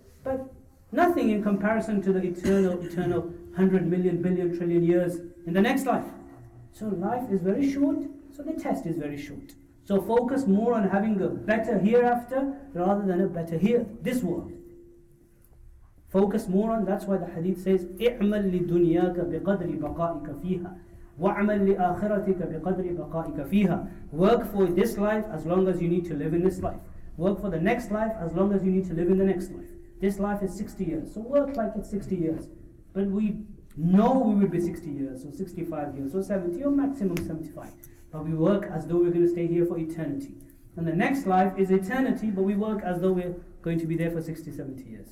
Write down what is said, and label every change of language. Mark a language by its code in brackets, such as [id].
[en] But nothing in comparison to the eternal 100 million, billion, trillion years in the next life. So life is very short, so the test is very short. So focus more on having a better hereafter rather than a better here, this world. Focus more on, that's why the hadith says, [ar] اِعْمَلْ لِدُنْيَاكَ بِقَدْرِ بَقَائِكَ فِيهَا وَعْمَلْ لِآخِرَتِكَ بِقَدْرِ بَقَائِكَ فِيهَا. [en] Work for this life as long as you need to live in this life. Work for the next life as long as you need to live in the next life. This life is 60 years, so work like it's 60 years. But we know we will be 60 years, or 65 years, or 70, or maximum 75. But we work as though we're going to stay here for eternity. And the next life is eternity, but we work as though we're going to be there for 60, 70 years.